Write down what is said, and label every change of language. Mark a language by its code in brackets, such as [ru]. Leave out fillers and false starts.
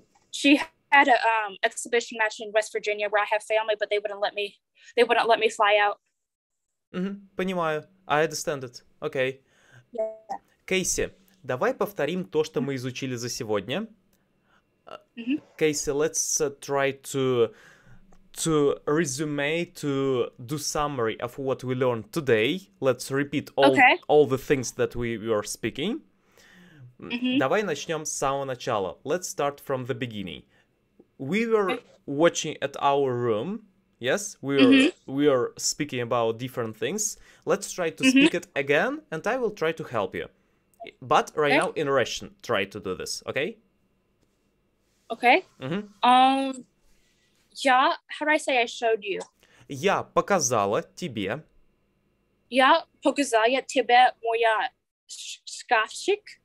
[en] She had a exhibition match in West Virginia where I have family, but they wouldn't let me fly out. Mm-hmm. [ru] Понимаю. [en] I understand it. Okay. Кейси, yeah. [ru] Давай повторим то, что мы изучили за сегодня. [en] Кейси, let's try to resume, to do summary of what we learned today. Let's repeat all the things that we were speaking. Mm-hmm. [ru] Давай начнем с самого начала. [en] Let's start from the beginning. We were watching at our room. Yes, we are speaking about different things. Let's try to speak it again, and I will try to help you. But right now, in Russian, try to do this, okay? Okay. Mm-hmm. [ru] Я, [en] how do I say I showed you? [ru] Я показала тебе. Я показала тебе моя шкафчик.